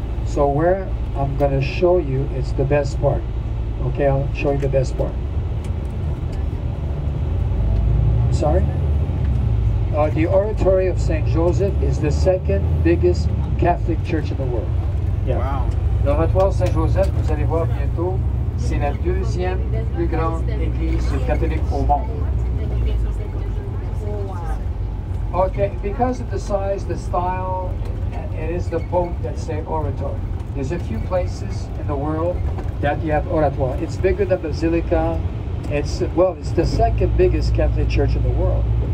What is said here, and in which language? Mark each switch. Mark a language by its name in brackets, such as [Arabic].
[English] So where I'm gonna show you is the best part. Okay, I'll show you the best part. Sorry? The Oratory of St. Joseph is the second biggest Catholic church in the world. Yeah. Wow. [French] L'Oratoire Saint-Joseph, vous allez voir bientôt, c'est la deuxième plus grande église catholique au monde. [English] Okay, because of the size, the style, it is the Pope that say oratory. There's a few places in the world that you have oratoire. It's bigger than Basilica. It's the second biggest Catholic church in the world.